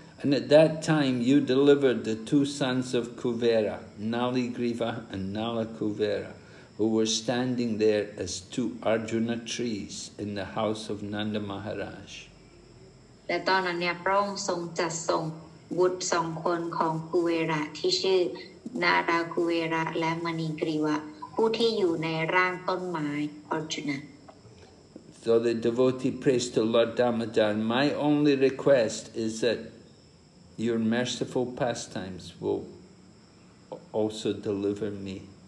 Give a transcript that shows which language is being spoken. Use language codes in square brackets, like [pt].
[en] And at that time you delivered the two sons of Kuvera Nali Griva and Nala Kuvera who were standing there as two Arjuna trees in the house of Nanda Maharaj. [th] และตอนนั้นเนี่ยพระองค์ทรงจัดส่งบุตรสองคนของกุเวระที่ชื่อนารากุเวระและมณีกรีวะผู้ที่อยู่ในร่างต้นไม้ Arjuna. [en] So the devotee prays to Lord Damodar, my only request is that your merciful pastimes will also deliver me.